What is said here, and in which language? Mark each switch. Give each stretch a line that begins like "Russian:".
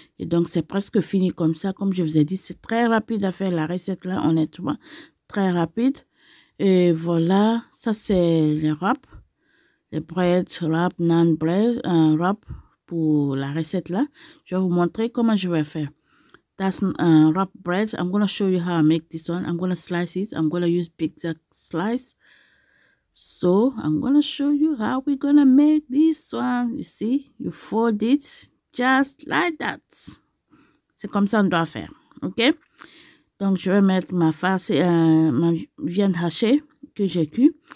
French: Et donc, c'est presque fini comme ça. Comme je vous ai dit, c'est très rapide à faire la recette là, honnêtement. Très rapide. Et voilà. Ça, c'est les wraps. Les bread wrap, non bread, un wrap pour la recette là. Je vais vous montrer comment je vais faire.
English: That's wrap bread. I'm going to show you how I make this one. I'm going to slice it. I'm going to use pizza slice. So, I'm going to show you how we're going to make this one. You see, you fold it just like that.
French: C'est comme ça on doit faire. OK? Donc, je vais mettre ma farce, ma viande hachée que j'ai cuite.